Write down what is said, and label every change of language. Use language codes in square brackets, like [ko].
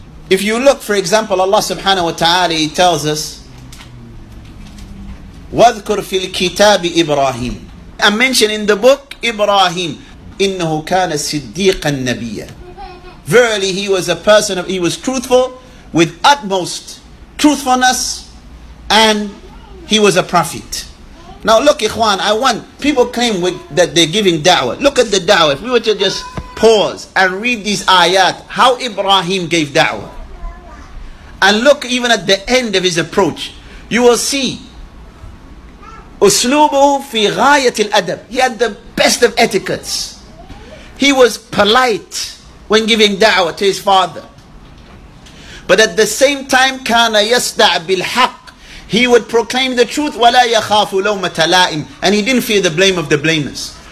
[en] If you look, for example, Allah subhanahu wa ta'ala, he tells us, [ar] وَذْكُرْ فِي الْكِتَابِ إِبْرَاهِيمِ, [en] and mention in the book Ibrahim, [ar] إِنَّهُ كَانَ صِدِّيقًا نَبِيًّا, [en] verily he was a person of, he was truthful with utmost truthfulness, and he was a prophet. Now look, Ikhwan, I want, people claim that they're giving da'wah. Look at the da'wah. If we were to just pause and read these ayat, how Ibrahim gave da'wah. And look even at the end of his approach. You will see, [ar] أسلوبه في غاية الأدب. [en] He had the best of etiquettes. He was polite when giving da'wah to his father. But at the same time, [ar] كان يصدع بالحق. [en] He would proclaim the truth, [ar] وَلَا يَخَافُ لَوْمَةَ لَائِمٍ, [en] and he didn't fear the blame of the blamers.